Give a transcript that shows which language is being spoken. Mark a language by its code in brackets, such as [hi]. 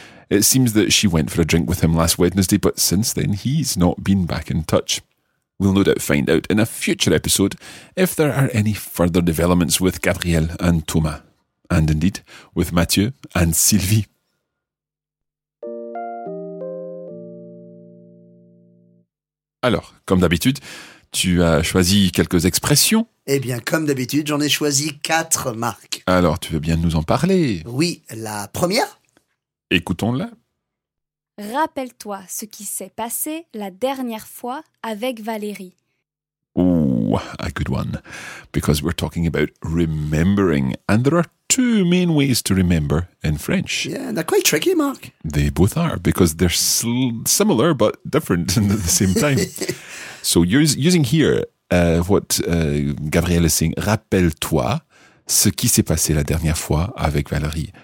[en] It seems that she went for a drink with him last Wednesday, but since then he's not been back in touch. We'll no doubt find out in a future episode if there are any further developments with Gabrielle and Thomas, and indeed with Mathieu and Sylvie. [fr] Alors, comme d'habitude, tu as choisi quelques expressions. Eh bien, comme d'habitude, j'en ai choisi quatre, Marc. Alors, tu veux bien nous en parler? Oui, la première. Écoutons-la. Rappelle-toi ce qui s'est passé la dernière fois avec Valérie. [en] Ooh, a good one. Because we're talking about remembering. And there are two main ways to remember in French. Yeah, they're quite tricky, Marc. They both are, because they're similar but different at the same time. So using here what Gabrielle is saying, [fr] rappelle-toi ce qui s'est passé la dernière fois avec Valérie.